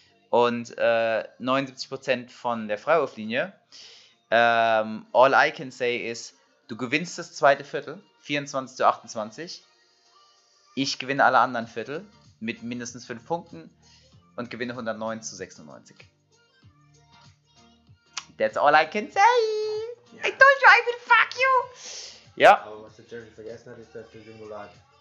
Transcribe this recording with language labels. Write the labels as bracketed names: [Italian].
[German] Und 79% von der Freiwurflinie. [English] All I can say [German] ist, du gewinnst das zweite Viertel, 24 zu 28. Ich gewinne alle anderen Viertel mit mindestens 5 Punkten und gewinne 109 zu 96. [English] That's all I can say. Yeah. I told you, I will fuck you. [German] Ja. Aber was der Jerry vergessen hat, ist, dass der Simulator